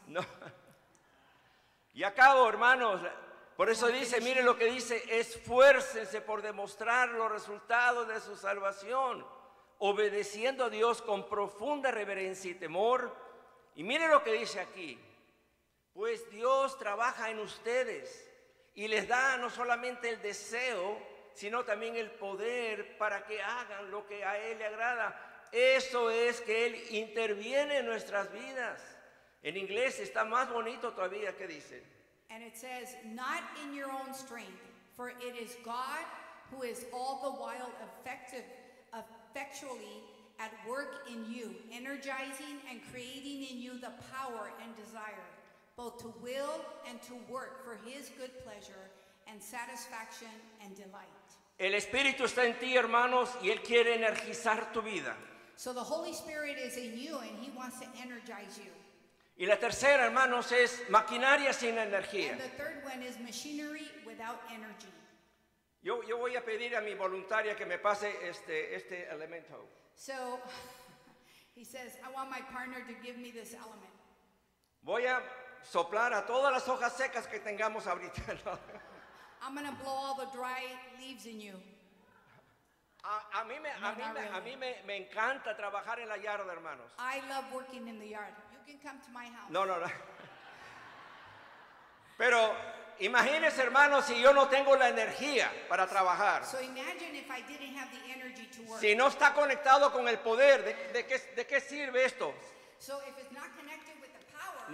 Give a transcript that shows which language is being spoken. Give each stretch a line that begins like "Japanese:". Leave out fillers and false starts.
Spanish: No. Y acabo, hermanos. Por eso dice, miren lo que dice, esfuércense por demostrar los resultados de su salvación, obedeciendo a Dios con profunda reverencia y temor. Y miren lo que dice aquí, pues Dios trabaja en ustedes y les da no solamente el deseo, sino también el poder para que hagan lo que a Él le agrada. Eso es que Él interviene en nuestras vidas. En inglés está más bonito todavía, ¿qué dice?
English: And it says, not in your own strength, for it is God who is all the while effectually at work in you, energizing and creating in you the power and desire, both to will and to work for his good pleasure and satisfaction and delight.
Spanish: El Espíritu está en ti, hermanos, y Él quiere energizar tu vida.
English: So the Holy Spirit is in you and he wants to energize you.
Spanish: Y la tercera, hermanos, es maquinaria sin energía.
English: And the third one is machinery without energy.
Spanish: Yo voy a pedir a mi voluntaria que me pase este elemento.
English: So, he says, I want my partner to give me this element.
Spanish: Voy a soplar a todas las hojas secas que tengamos ahorita. ¿No?
English: I'm going to blow all the dry leaves in you.
Spanish: A mí me encanta trabajar en la yarda, hermanos.
English: I love working in the yard. You can come to my house.
Spanish: No. Pero imagínense, hermanos, si yo no tengo la energía para trabajar.
English: So imagine if I didn't have the energy to work.
Spanish: Si no está conectado con el poder, ¿de qué sirve esto?
English: So if it's not connected with the power,